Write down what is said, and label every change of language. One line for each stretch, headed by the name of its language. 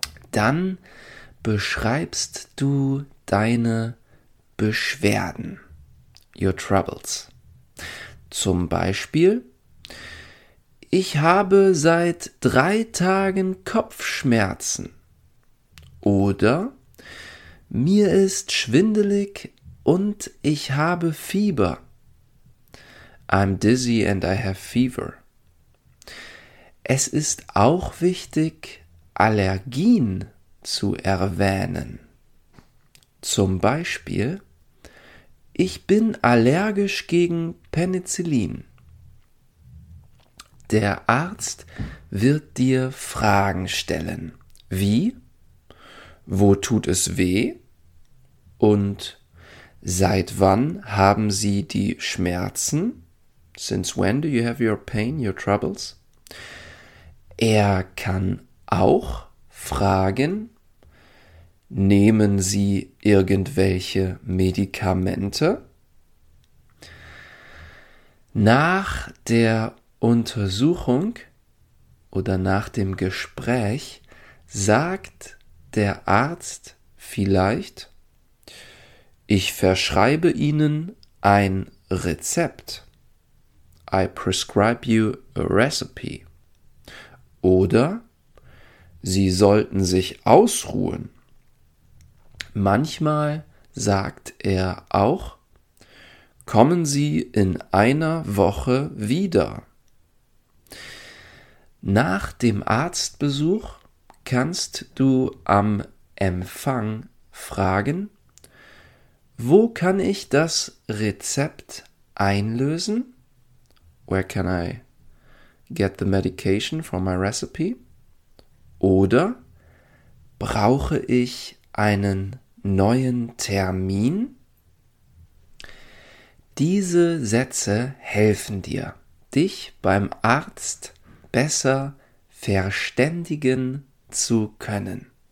German: Dann beschreibst du deine Beschwerden,
English: your troubles.
German: Zum Beispiel: Ich habe seit 3 Tagen Kopfschmerzen. Oder: Mir ist schwindelig und ich habe Fieber.
English: I'm dizzy and I have fever.
German: Es ist auch wichtig, Allergien zu erwähnen. Zum Beispiel: Ich bin allergisch gegen Penicillin. Der Arzt wird dir Fragen stellen. Wie? Wo tut es weh? Und seit wann haben Sie die Schmerzen?
English: Since when do you have your pain, your troubles?
German: Er kann auch fragen, nehmen Sie irgendwelche Medikamente? Nach der Untersuchung oder nach dem Gespräch sagt der Arzt vielleicht, ich verschreibe Ihnen ein Rezept.
English: I prescribe you a recipe.
German: Oder Sie sollten sich ausruhen. Manchmal sagt er auch, kommen Sie in einer Woche wieder. Nach dem Arztbesuch kannst du am Empfang fragen, wo kann ich das Rezept einlösen?
English: Where can I get the medication for my recipe?
German: Oder brauche ich einen neuen Termin? Diese Sätze helfen dir, dich beim Arzt besser verständigen zu können.